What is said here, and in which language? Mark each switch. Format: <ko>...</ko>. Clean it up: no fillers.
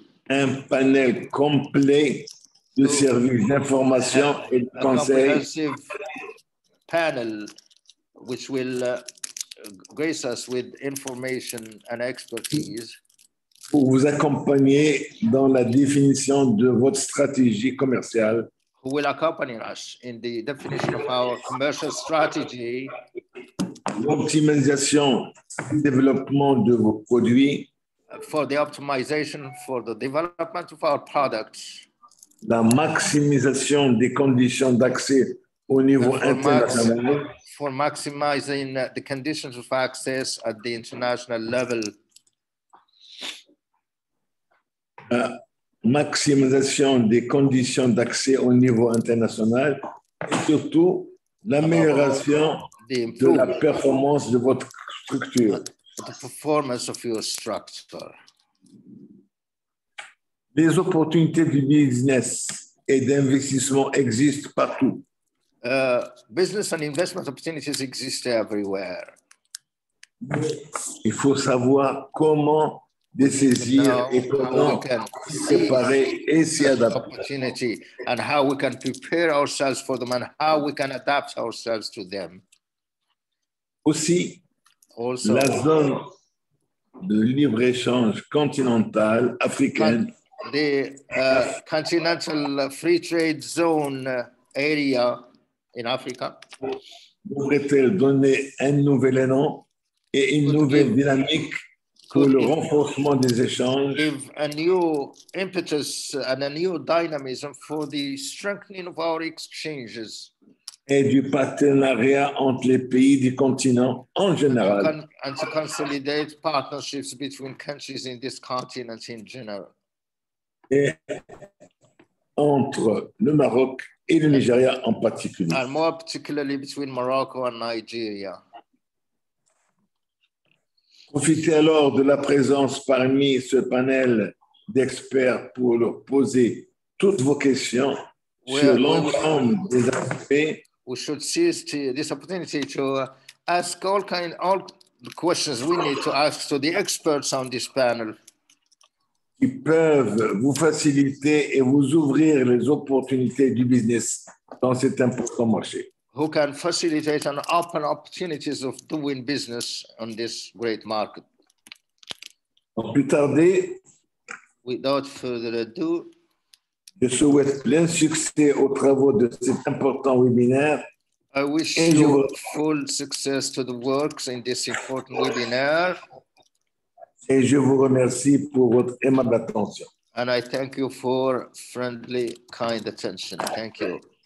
<fr>un panel complet de services d'information et de conseils</fr> <en>panel which will grace us with information and expertise</en> <fr>pour vous accompagner dans la définition de votre stratégie commerciale.</fr> <en>Who will accompany us in the definition of our commercial strategy?</en> <fr>L'optimisation et développement de vos produits.</fr> <en>For the optimization for the development of our products.</en> <fr>La maximisation des conditions d'accès au niveau international.</fr> <en>For maximizing the conditions of access at the international level.</en> <fr>Maximisation des conditions d'accès au niveau international et surtout l'amélioration de la performance de votre structure.</fr> <en>The performance of your structure.</en> <fr>Les opportunités du business et d'investissement existent partout.</fr> <en>Business and investment opportunities exist everywhere.</en> <fr>Il faut savoir comment de saisir et comment préparer et s'y adapter.</fr> <en>And how we can prepare ourselves for them and how we can adapt ourselves to them.</en> <fr>Aussi,</fr> <en>also,</en> <fr>la zone de libre-échange continentale africaine,</fr> <en>the continental free trade zone area in Africa,</en> <fr>devrait-elle donner un nouvel élan et une nouvelle dynamique pour le renforcement des échanges,</fr> <en>give a new impetus and a new dynamism for the strengthening of our exchanges</en> <fr>et du partenariat entre les pays du continent en général,</fr> <en>and to consolidate partnerships between countries in this continent in general,</en> <fr>et entre le Maroc et le Nigeria en particulier,</fr> <en>and more particularly between Morocco and Nigeria.</en> <fr>Profitez alors de la présence parmi ce panel d'experts pour leur poser toutes vos questions sur l'ensemble des aspects.</fr> <en>We should seize this opportunity to ask all the questions we need to ask to the experts on this panel.</en> <fr>Ils peuvent vous faciliter et vous ouvrir les opportunités du business dans cet important marché.</fr> <en>Who can facilitate and open opportunities of doing business on this great market.</en> <fr>Sans plus tarder,</fr> <en>without further ado,</en> <fr>je souhaite plein succès aux travaux de cet important webinaire.</fr> <en>I wish you full success to the works in this important webinar.</en> <fr>Et je vous remercie pour votre aimable attention.</fr> <en>And I thank you for friendly, kind attention. Thank you.</en>